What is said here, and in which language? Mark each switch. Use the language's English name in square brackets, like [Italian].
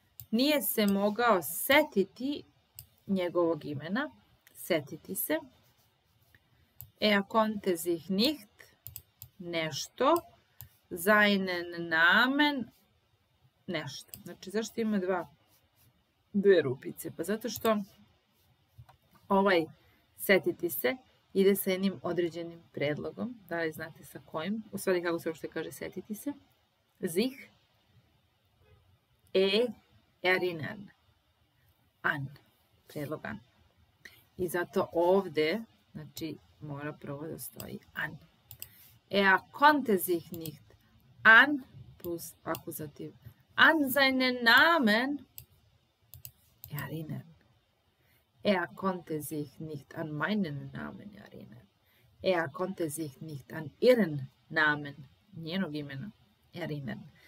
[Serbian] Nije se mogao setiti njegovog imena. Setiti se. [German] Er konnte sich nicht nešto seinen Namen nešto. [Serbian] Znači, zašto ima dve rupice? Pa zato što ovaj setiti se ide sa jednim određenim predlogom. Da li znate sa kojim? U stvari, kako se uopšte kaže setiti se? [German] Sich erinnern an. [Serbian] Predlog an. I zato ovde, znači, mora prvo da stoji an. [German] Er konnte sich nicht an plus akuzativ an seinen Namen erinnern. Er konnte sich nicht an meinen Namen erinnern. Er konnte sich nicht an ihren Namen, [Serbian] njenog imena, [German] erinnern.